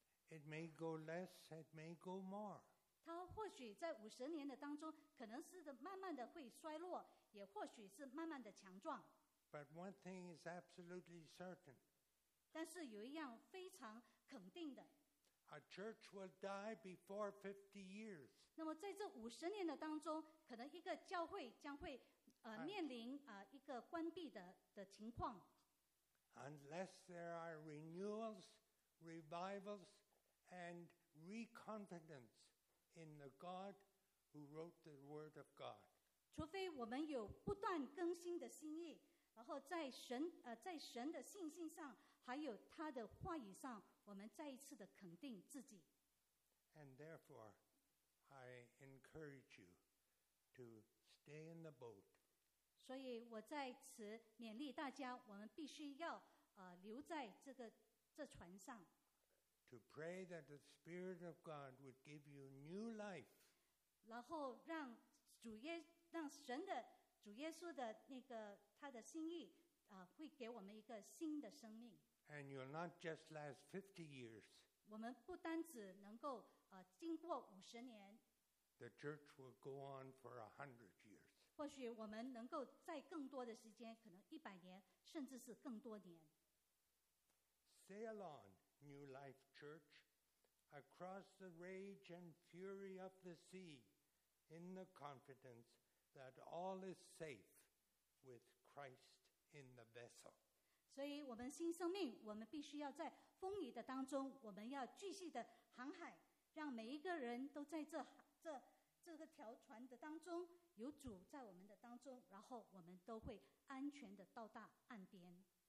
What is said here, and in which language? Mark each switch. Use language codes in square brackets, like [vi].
[en] It may go less, it may go more. [zh] 它或许在50年的当中可能是慢慢的会衰落，也或许是慢慢的强壮。 [en] But one thing is absolutely certain. [zh] 但是有一样非常肯定的。 [en] A church will die before 50 years. [zh] 那么在这50年的当中，可能一个教会将会面临一个关闭的情况。 [en] Unless there are renewals, revivals, and reconfidence in the God who wrote the Word of God. [zh] 除非我们有不断更新的心意，然后在神的信心上，还有他的话语上。我们再一次的肯定自己。 [en] And therefore, I encourage you to stay in the boat. [zh] 所以我在此勉励大家，我们必须要留在这船上。 [en] To pray that the Spirit of God would give you new life. [zh] 然后让神的主耶稣的那个他的心意会给我们一个新的生命。 [en] And you'll not just last 50 years. [zh] 我们不单只能够经过50年。 [en] The church will go on for 100 years. [zh] 或许我们能够在更多的时间，可能100年，甚至是更多年。 [en] Sail on, New Life Church, across the rage and fury of the sea, in the confidence that all is safe with Christ in the vessel. [zh] 所以我们新生命，我们必须要在风雨的当中，我们要继续的航海，让每一个人都在这个条船的当中，有主在我们的当中，然后我们都会安全的到达岸边。